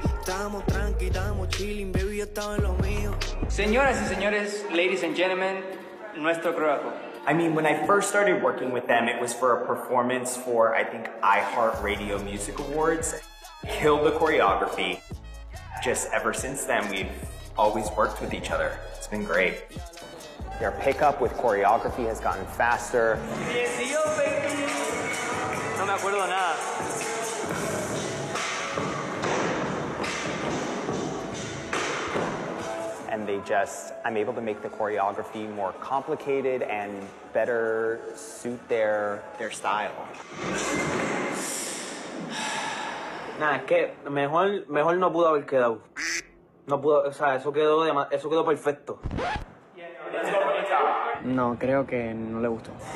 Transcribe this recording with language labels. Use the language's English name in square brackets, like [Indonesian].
[Spanish] Estábamos tranqui, estábamos [English] chilling, baby, [Spanish] yo estaba en lo mío. Señoras y señores, [English] ladies and gentlemen, [Spanish] nuestro coreógrafo. [English] I mean, when I first started working with them, it was for a performance for, I think, iHeartRadio Music Awards. Killed the choreography. Just ever since then, we've always worked with each other. It's been great. Their pickup with choreography has gotten faster. [Spanish] No me acuerdo nada. [English] And they just, I'm able to make the choreography more complicated and better suit their style. [Spanish] Nah, es que mejor no pudo haber quedado. No pudo, o sea, eso quedó perfecto. No, creo que no le gustó.